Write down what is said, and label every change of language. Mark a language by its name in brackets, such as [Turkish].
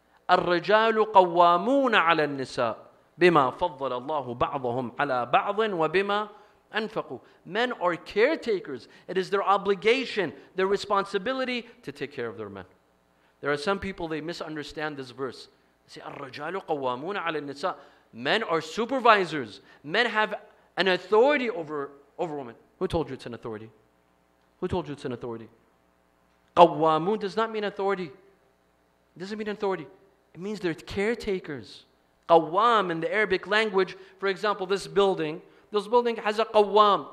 [Arabic] الرِّجَالُ قَوَّامُونَ عَلَى النِّسَاءِ بِمَا فَضَّلَ اللَّهُ بَعْضَهُمْ عَلَى بَعْضٍ وَبِمَا أَنفَقُوا. [English] Men are caretakers. It is their obligation, their responsibility to take care of their men. There are some people, they misunderstand this verse. See, [Arabic] الرجال قوامون على النساء. [English] Men are supervisors. Men have an authority over women. Who told you it's an authority? Who told you it's an authority? Qawwamun does not mean authority. It doesn't mean authority. It means they're caretakers. Qawwam in the Arabic language, for example, this building has a qawwam.